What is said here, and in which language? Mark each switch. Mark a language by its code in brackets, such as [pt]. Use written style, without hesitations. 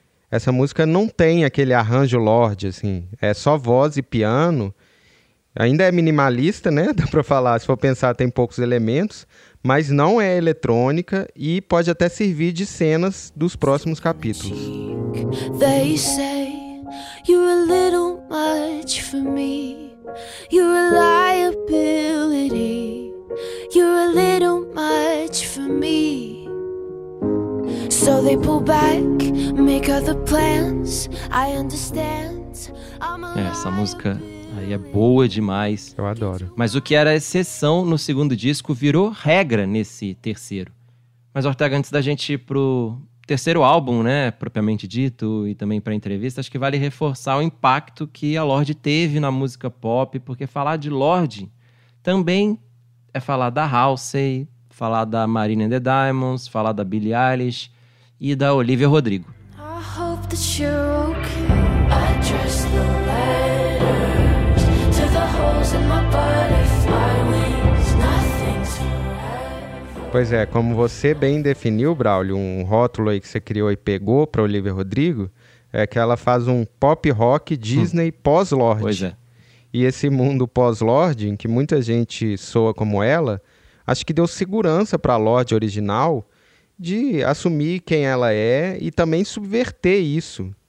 [pt] Essa música não tem aquele arranjo Lorde, assim, é só voz e piano. Ainda é minimalista, né, dá pra falar, se for pensar tem poucos elementos, mas não é eletrônica e pode até servir de cenas dos próximos capítulos. [en] They say you're a little much for me. You're a liability. You're a little much for me. So they pull back make other plans, I understand. [pt] Essa música aí é boa demais. Eu adoro. Mas o que era exceção no segundo disco virou regra nesse terceiro. Mas, Ortega, antes da gente ir pro terceiro álbum, né, propriamente dito, e também pra entrevista, acho que vale reforçar o impacto que a Lorde teve na música pop, porque falar de Lorde também é falar da Halsey, falar da Marina and the Diamonds, falar da Billie Eilish e da Olivia Rodrigo. [en] I hope that you're okay. I dress the letters to the holes in my butterfly wings. Nothing's forever. [pt] Pois é, como você bem definiu, Braulio, um rótulo aí que você criou e pegou para Olivia Rodrigo, é que ela faz um pop rock Disney pós-Lorde. Pois é. E esse mundo pós-Lorde, em que muita gente soa como ela, acho que deu segurança para a Lorde original de assumir quem ela é e também subverter isso.